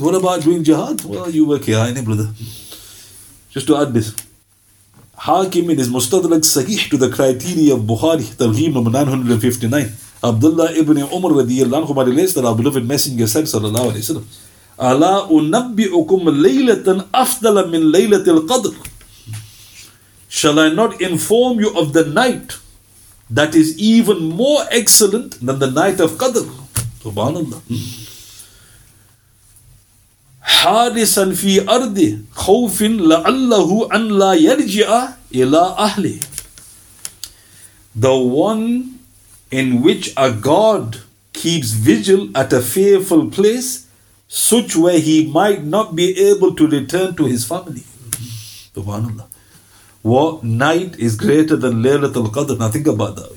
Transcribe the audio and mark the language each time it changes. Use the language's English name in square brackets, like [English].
[English] What about doing jihad? Well, you work here, ain't it, brother? Just to add this, Hakim in his Mustadrak Sahih to the criteria of Bukhari, Targheeb number 959, Abdullah ibn Umar radiyallahu anhu relates that our beloved messenger said, sallallahu alayhi wa sallam, [Arabic] ألا أنبئكم ليلة أفضل من ليلة القدر. [English] Shall I not inform you of the night that is even more excellent than the night of Qadr? [Arabic] Subhanallah. حارسا في أرض خوف لعله أن لا يرجع إلى أهله. [English] The one in which a guard keeps vigil at a fearful place, such where he might not be able to return to his family. Subhanallah. What night is greater than Laylatul Qadr? Now think about that.